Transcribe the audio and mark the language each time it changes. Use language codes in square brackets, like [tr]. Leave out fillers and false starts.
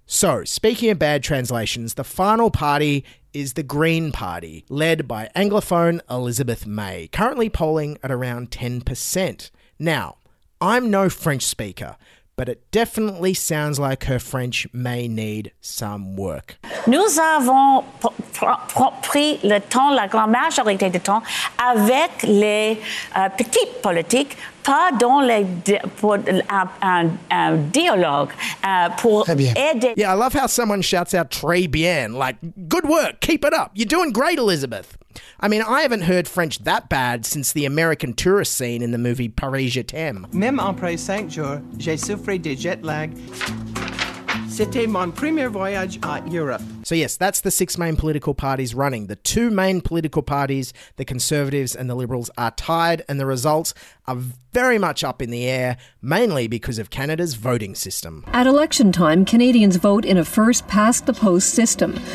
[en] So, speaking of bad translations, the final party is the Green Party, led by Anglophone Elizabeth May, currently polling at around 10%. Now, I'm no French speaker, but it definitely sounds like her French may need some work. [fr] Nous avons pris le temps, la grande majorité du temps, avec les petites politiques, pas dans les pour un dialogue, pour aider. [en] Yeah, I love how someone shouts out [fr] très bien, [en] like, good work, keep it up. You're doing great, Elizabeth. I mean, I haven't heard French that bad since the American tourist scene in the movie Paris Je T'aime. [fr] Même après 5 jours, j'ai souffert de jet lag. C'était mon premier voyage à Europe. [en] So yes, that's the six main political parties running. The two main political parties, the Conservatives and the Liberals, are tied, and the results are very much up in the air, mainly because of Canada's voting system. At election time, Canadians vote in a first-past-the-post system.